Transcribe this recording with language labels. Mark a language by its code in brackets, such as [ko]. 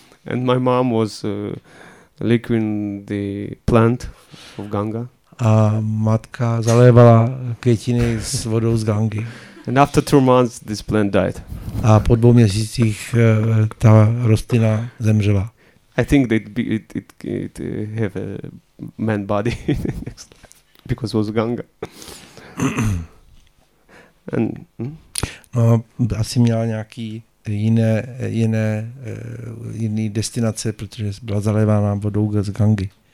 [en] And my mom was liquing the plant of Ganga. [cs] A matka zalévala květiny s vodou z Gangy. [en] And after 2 months this plant died. [cs] A po 2 měsících ta rostlina zemřela. [en] I think that it have a man body next because it was Ganga. And [cs] No, asi měla nějaký jiné destinace, protože byla zalévána vodou z Gangy.